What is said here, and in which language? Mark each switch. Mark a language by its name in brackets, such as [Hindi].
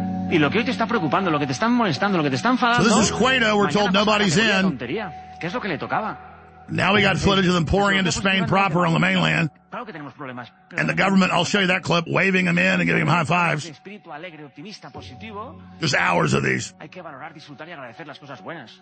[Spanish] Y lo que hoy te está preocupando, lo que te está molestando, lo que te está enfadando. [English] So this is Ceuta, we're told nobody's in. [Spanish] ¿Qué es lo que le tocaba? [English] Now we got footage of them pouring into Spain proper on the mainland. [Spanish] Claro que tenemos problemas. [English] And the government, I'll show you that clip, waving them in and giving them high fives. [Spanish] Espíritu alegre, optimista, positivo. [English] Just hours of these. [Spanish] Hay que valorar, disfrutar y agradecer las cosas buenas.